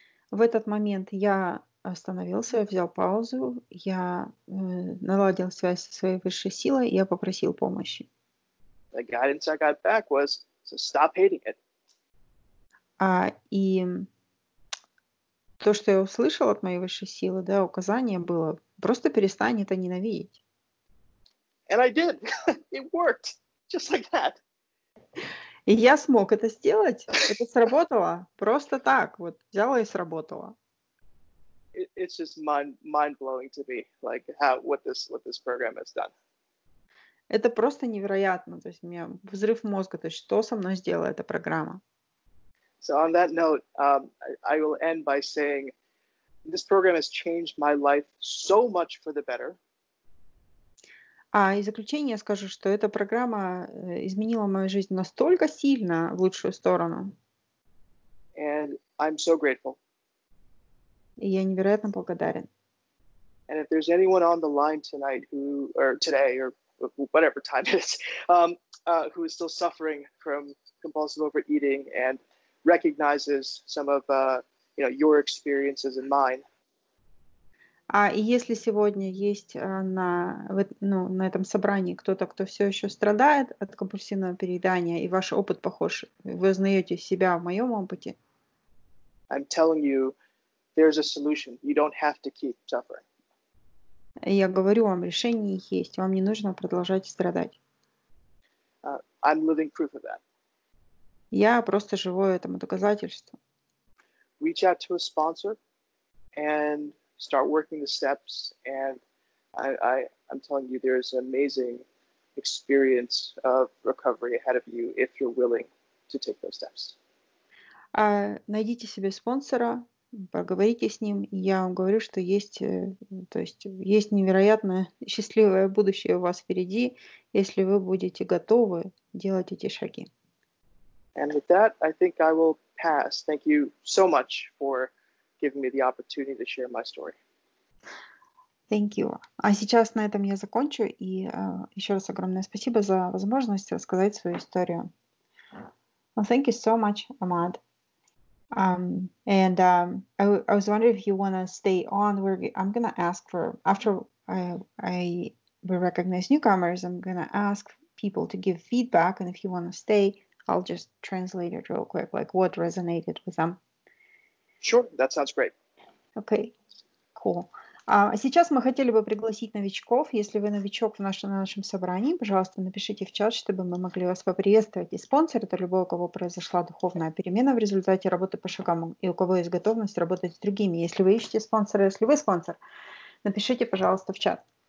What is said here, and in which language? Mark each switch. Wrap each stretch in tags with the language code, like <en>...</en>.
<ru>В этот момент я остановился, я взял паузу, я наладил связь со своей высшей силой, и я попросил помощи.</ru> <en>The guidance I got back was, so stop hating it.</en> <ru>И то, что я услышал от моей высшей силы, да, указание было, просто перестань это ненавидеть.</ru> <en>And I did. It worked. Just like that.</en> <ru>И я смог это сделать. Это сработало. Просто так. Вот взяла и сработало.</ru> <en>It's just mind-blowing to me, like how what this program has done.</en> <ru>Это просто невероятно. То есть у меня взрыв мозга. То есть что со мной сделала эта программа?</ru> <en>So on that note, I will end by saying this program has changed my life so much for the better.</en> <ru>И в заключение я скажу, что эта программа изменила мою жизнь настолько сильно в лучшую сторону.</ru> <en>And I'm so grateful.</en> <ru>И я невероятно благодарен.</ru> <en>And if there's anyone on the line tonight who, or today, or whatever time it is, who is still suffering from compulsive overeating and recognizes some of you know, your experiences and mine.</en> <ru>И если сегодня есть на этом собрании кто-то, кто все еще страдает от компульсивного переедания, и ваш опыт похож, вы узнаете себя в моем опыте.</ru> <en>I'm telling you, there's a solution. You don't have to keep suffering.</en> <ru>Я говорю вам, решение есть. Вам не нужно продолжать страдать.</ru> <en>I'm living proof of that.</en> <ru>Я просто живу этому доказательству.</ru> <en>Reach out to a sponsor and start working the steps, and I'm telling you, there's an amazing experience of recovery ahead of you if you're willing to take those steps.</en> <ru>Найдите себе спонсора, поговорите с ним. Я вам говорю, что есть невероятное счастливое будущее у вас впереди, если вы будете готовы делать эти шаги.</ru> <en>And with that, I think I will pass. Thank you so much for giving me the opportunity to share my story. Thank you.</en> <ru>А сейчас на этом я закончу. И еще раз огромное спасибо за возможность рассказать свою историю.</ru> <en>Well, thank you so much, Ahmad. I was wondering if you want to stay on. I'm going to ask for, after we recognize newcomers, I'm going to ask people to give feedback. And if you want to stay, I'll just translate it real quick, like what resonated with them. Sure, that sounds great. Okay, cool.</en> <ru>Сейчас мы хотели бы пригласить новичков. Если вы новичок в нашем собрании, пожалуйста, напишите в чат, чтобы мы могли вас поприветствовать. И спонсор — это любой, у кого произошла духовная перемена в результате работы по шагам и у кого есть готовность работать с другими. Если вы ищете спонсора, если вы спонсор, напишите, пожалуйста, в чат.</ru>